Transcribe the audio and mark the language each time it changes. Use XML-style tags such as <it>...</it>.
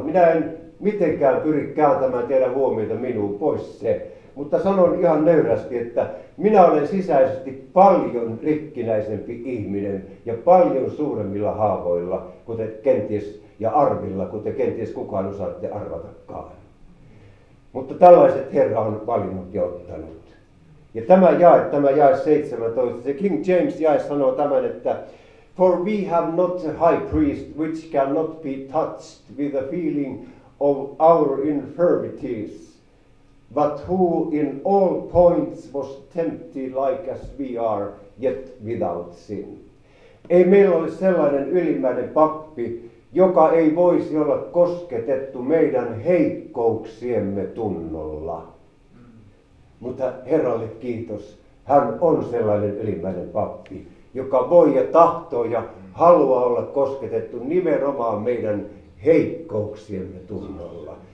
<fi>Minä en mitenkään pyri kääntämään teidän huomiota minuun pois se, mutta sanon ihan nöyrästi, että minä olen sisäisesti paljon rikkinäisempi ihminen ja paljon suuremmilla haavoilla kuten kenties, ja arvilla, kuten kenties kukaan osaatte arvatakaan. Mutta tällaiset Herra on valinnut ja ottanut. Ja tämä jae 17, se King James -jae sanoo tämän, että</fi> <en>for we have not a high priest which cannot be touched with the feeling of our infirmities, but who in all points was tempted like as we are, yet without sin.</en> <fi>Ei meillä ole sellainen ylimmäinen pappi, joka ei voisi olla kosketettu meidän heikkouksiemme tunnolla. Mutta Herralle kiitos, hän on sellainen ylimmäinen pappi, joka voi ja tahtoo ja haluaa olla kosketettu nimenomaan meidän heikkouksiemme tunnolla.</fi>